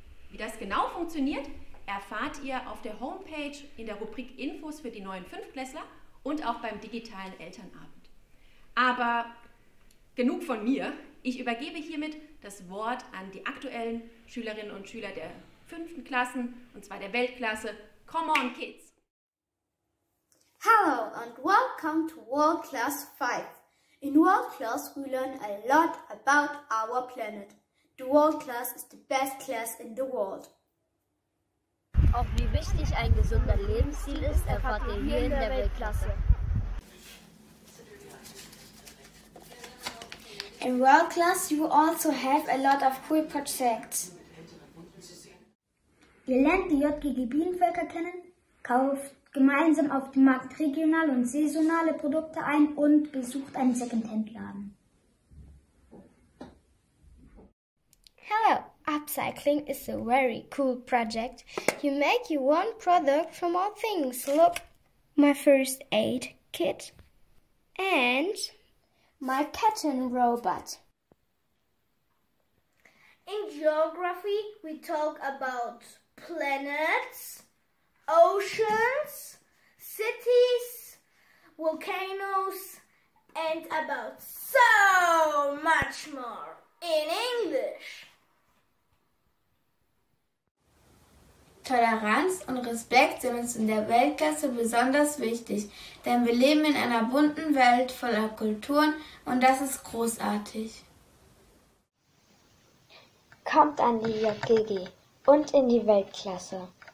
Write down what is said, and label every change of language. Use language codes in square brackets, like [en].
[de] Wie das genau funktioniert, erfahrt ihr auf der Homepage in der Rubrik Infos für die neuen 5-Klässler und auch beim digitalen Elternabend. Aber genug von mir, ich übergebe hiermit das Wort an die aktuellen Schülerinnen und Schüler der 5. Klassen, und zwar der Weltklasse. [en] Come on, Kids! Hello and welcome to World Class 5. In World Class we learn a lot about our planet. The World Class is the best class in the world. [de] Auch wie wichtig ein gesunder Lebensstil ist, erfahrt ihr hier in der Weltklasse. [en] In World Class you also have a lot of cool projects. [de] Ihr lernt die JGG Bienenvölker kennen, kauft gemeinsam auf dem Markt regionale und saisonale Produkte ein und besucht einen Secondhand-Laden. [en] Hello! Upcycling is a very cool project. You make your own product from all things. Look, my first aid kit and my kitten robot. In geography, we talk about planets, oceans, cities, volcanoes, and about so much more in English. [de] Toleranz und Respekt sind uns in der Weltklasse besonders wichtig, denn wir leben in einer bunten Welt voller Kulturen und das ist großartig. Kommt an die JGG und in die Weltklasse.